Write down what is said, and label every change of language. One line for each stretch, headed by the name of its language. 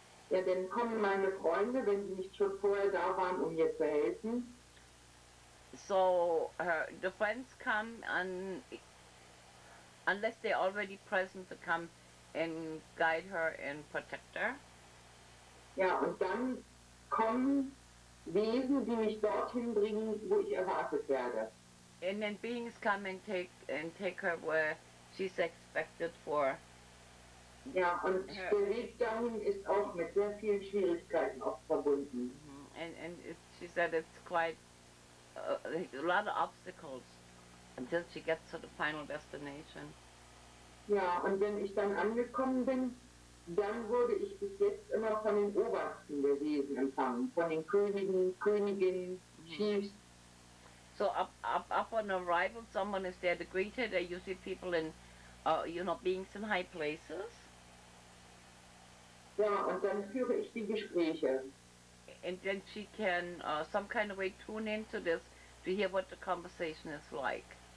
German: Ja, dann kommen meine Freunde, wenn sie nicht schon vorher da waren, um ihr zu helfen.
English: So, the friends come, and unless they're already present, to come and guide her and protect her.
German: Ja, und dann kommen Wesen, die mich dorthin bringen, wo ich erwartet werde.
English: And then beings come and take her where she's expected for.
German: Ja, und der Weg dahin ist auch mit sehr vielen Schwierigkeiten auch verbunden. Mm-hmm.
English: And she said it's quite a lot of obstacles until she gets to the final destination.
German: Ja, und wenn ich dann angekommen bin, dann wurde ich bis jetzt immer von den Obersten der Wesen empfangen, von den Königen, Königinnen, Chiefs.
English: So up on arrival, someone is there to greet her. They usually people in, beings in high places.
German: Ja, und dann führe ich die Gespräche.
English: And then she can some kind of way tune into this to hear what the conversation is like.